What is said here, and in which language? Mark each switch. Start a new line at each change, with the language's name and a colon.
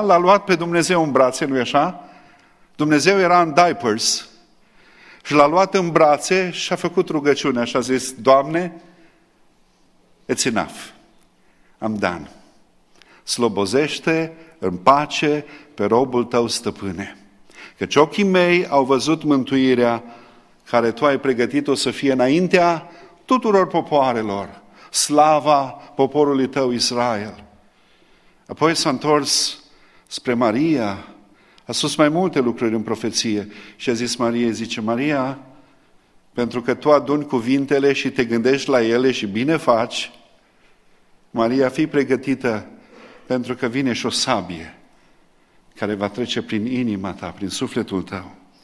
Romanian: L-a luat pe Dumnezeu în brațe, nu-i așa? Dumnezeu era în
English: diapers
Romanian: și l-a luat în brațe și a făcut rugăciune. Așa a zis, Doamne,
English: it's enough, I'm done.
Romanian: Slobozește în pace pe robul tău, stăpâne. Căci ochii mei au văzut mântuirea care tu ai pregătit-o să fie înaintea tuturor popoarelor. Slava poporului tău, Israel. Apoi s-a întors spre Maria, a spus mai multe lucruri în profeție și a zis Mariei, zice, Maria, pentru că tu aduni cuvintele și te gândești la ele și bine faci, Maria, fii pregătită, pentru că vine și o sabie care va trece prin inima ta, prin sufletul tău.